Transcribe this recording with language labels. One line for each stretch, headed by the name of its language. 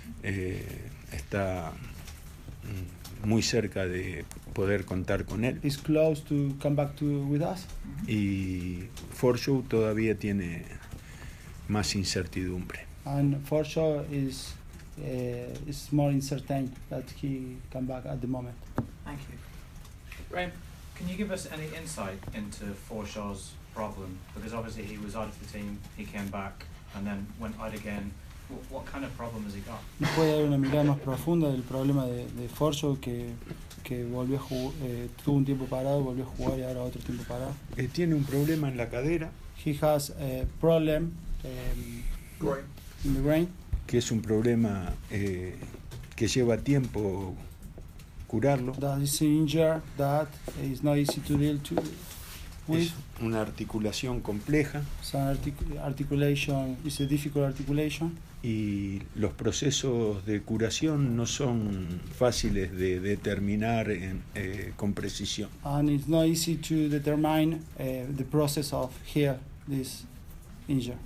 Spanish: Está muy cerca de poder contar con él.
English: He's close to come back to with us.
Spanish: Y Forshaw todavía tiene más incertidumbre.
English: And Forshaw is it's more uncertain that he come back at the moment. Thank you. Graham, can you give us any insight into Forshaw's problem? Because obviously he was out of the team, he came back and then went out again. What kind of problem has he got?
Spanish: ¿No puede dar una mirada más profunda del problema de Forshaw que volvió a jugar, tuvo un tiempo parado, volvió a jugar y ahora otro tiempo parado? Tiene un problema en la cadera.
English: He has a problem in the brain.
Spanish: Que es un problema que lleva tiempo curarlo.
English: That is an injury that is not easy to deal to with.
Spanish: Es una articulación compleja.
English: Articulation is a difficult articulation.
Spanish: Y los procesos de curación no son fáciles de determinar con precisión.
English: And it's not easy to determine the process of heal this injury.